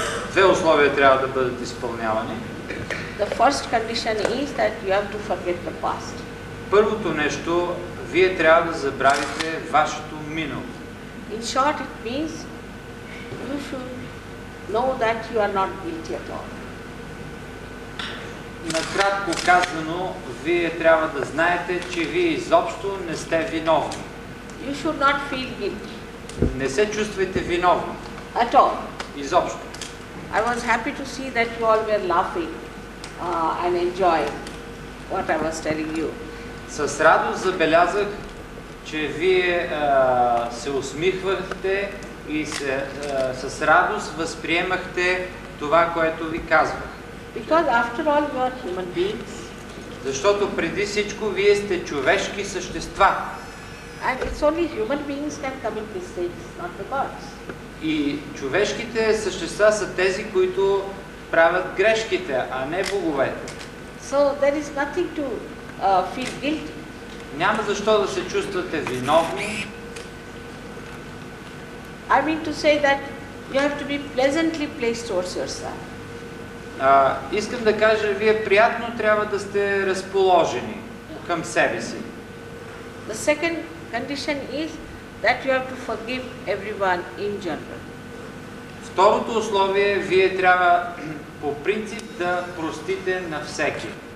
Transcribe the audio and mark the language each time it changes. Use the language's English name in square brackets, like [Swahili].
[Bulgarian] Две условия трябва да бъдат изпълнявани. [English] The first condition is that you have to forget the past. [Bulgarian] Първото нещо, вие трябва да забравите вашето минало. [English] In short, it means you should know that you are not guilty at all. [Bulgarian] Накратко казано, вие трябва да знаете, че вие изобщо не сте виновни. [English] You should not feel guilty. [Bulgarian] Не се чувствайте виновни. [English] At all. [Bulgarian] Изобщо. [English] I was happy to see that you all were laughing and enjoying what I was telling you. [Bulgarian] С радост забелязах, че вие се усмихвахте и с радост възприемахте това, което ви казвах. [English] Because after all you are human beings. [Bulgarian] Защото преди всичко вие сте човешки същества. [English] And it's only human beings can commit mistakes, not the gods. [Bulgarian] И човешките същества са тези, които правят грешките, а не боговете. [English] So there is nothing to feel guilty. [Bulgarian] Няма защо да се чувствате виновни. [English] I mean to say that you have to be pleasantly placed towards yourself. [Bulgarian] Искам да кажа, вие приятно трябва да сте разположени към себе си. [English] The second condition is that you have to forgive everyone in general. [Bulgarian] Второто условие, вие трябва по принцип да простите на всеки.